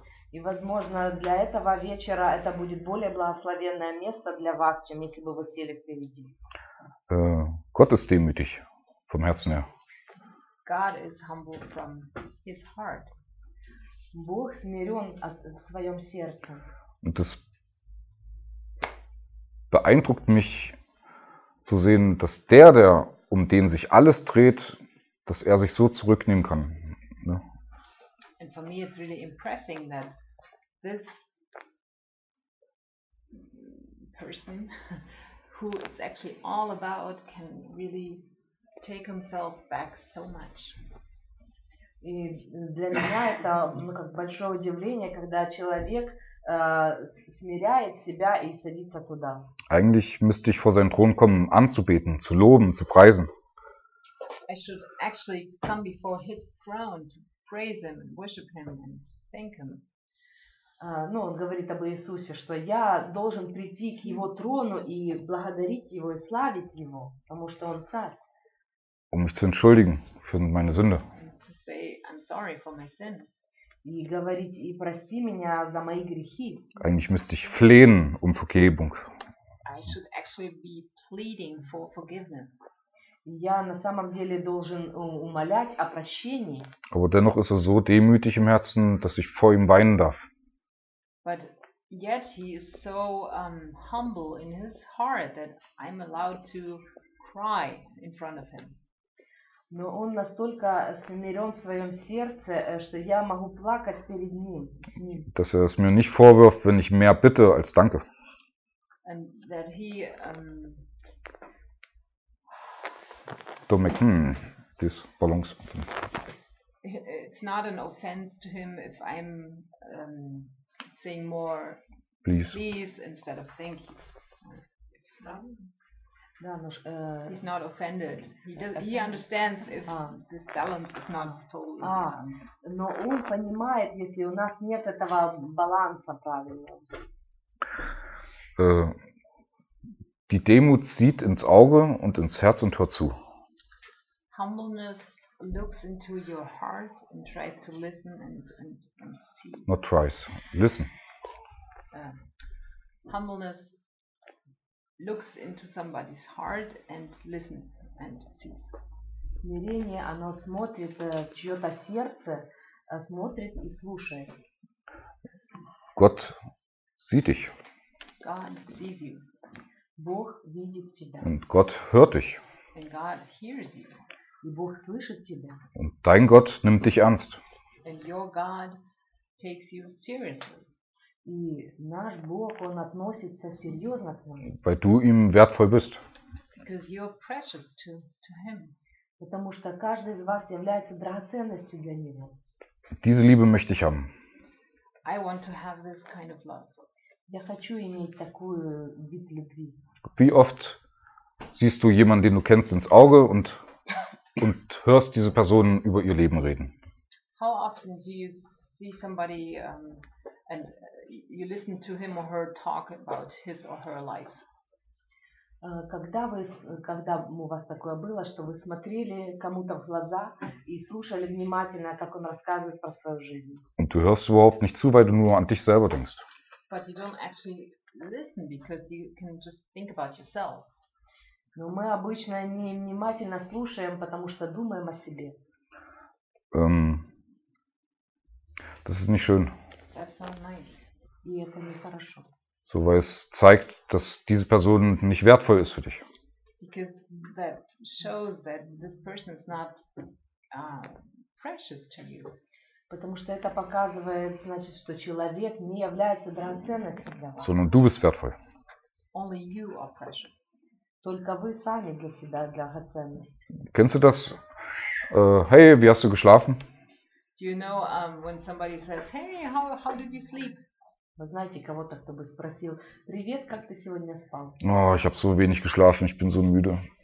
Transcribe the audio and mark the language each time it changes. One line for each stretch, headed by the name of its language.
Russian: И, возможно, для этого вечера это будет более благословенное место для вас, чем если бы вы сели впереди.
German: Gott ist demütig, vom Herzen her.
English: God is humble from his heart.
Russian: Бог смирен в своем сердце.
German: Und das beeindruckt mich zu sehen, dass der, um den sich alles dreht, dass er sich so zurücknehmen kann. Ne?
English: And for me it's really impressing that this person who is actually all about can really take himself back so much.
Russian: И для меня это как большое удивление, когда человек смиряет себя и садится туда.
German: Eigentlich müsste ich vor seinen Thron kommen, anzubeten, zu loben, zu preisen.
English: I should actually come before his throne to praise him and worship him and thank him.
Russian: Ну, он говорит об Иисусе, что я должен прийти к его трону и благодарить его и славить его, потому что он царь.
German: Um mich zu entschuldigen für meine Sünde.
English: To say I'm sorry for my sin.
Russian: И говорить и прости меня за мои грехи.
German: Eigentlich müsste ich flehen um Vergebung.
English: I should actually be pleading for forgiveness.
Russian: Я на самом деле должен умолять о прощении.
German: Aber dennoch ist er so demütig im Herzen, dass ich vor ihm weinen darf.
English: But yet he is so humble in his heart that I'm allowed to cry in front of him.
Russian: Но он настолько смирен в своем сердце, что я могу плакать перед ним.
German: Dass er es mir nicht vorwirft, wenn ich mehr bitte als danke.
English: And that he stomach. Hmm, these balloons. It's not an offense to him if I'm saying more please instead of thank you. It's not, he's not offended. He understands if this balance is not totally.
Russian: Но он понимает, если у нас нет этого баланса правильного.
German: Die Demut sieht ins Auge und ins Herz und hört zu.
English: Humbleness looks into your heart and tries to listen and see. Not tries, listen. Humbleness looks into somebody's heart and listens and sees.
Russian: Смирение, оно смотрит в чьё-то сердце, смотрит и слушает.
German: Gott sieht dich.
English: God sees you.
Russian: Бог видит тебя.
German: Und Gott hört dich.
English: And God hears you.
Russian: И Бог слышит тебя.
German: Und dein Gott nimmt dich ernst.
English: And your God takes you seriously.
Russian: И наш Бог, он относится серьезно к нам.
German: Weil du ihm wertvoll bist.
English: Because you're precious to him.
Russian: Потому что каждый из вас является драгоценностью для него.
German: Diese Liebe möchte ich haben.
English: I want to have this kind of love.
Russian: Я хочу иметь такую вид любви.
German: Wie oft siehst du jemanden, den du kennst, ins Auge und hörst diese Person über ihr Leben reden?
English: How often do you see somebody and you listen to him or her talk about his or her life?
Russian: Когда у вас такое было, что вы смотрели кому-то в глаза и слушали внимательно, как он рассказывает про свою жизнь?
German: Und du hörst überhaupt nicht zu, weil du nur an dich selber denkst.
English: But you don't actually listen because you can just think about yourself.
Russian: Но мы обычно не внимательно слушаем, потому что думаем о себе.
German: Das ist nicht schön.
English: That's not nice.
Russian: И это не хорошо.
German: So, weil es zeigt, dass diese Person nicht wertvoll ist für dich.
English: Because that shows that this person is not precious to you.
Russian: Потому что это показывает, значит, что человек не является драгоценностью для вас.
German: Sondern du bist wertvoll.
English: Only you are precious.
Russian: Только вы сами для себя драгоценность.
German: Kennst du das? Hey, wie hast du geschlafen?
English: Do you know when somebody says, hey, how did you sleep?
Russian: Вы знаете, кого-то кто бы спросил, привет, как ты сегодня спал?
German: Oh, ich habe so wenig geschlafen, ich bin so müde.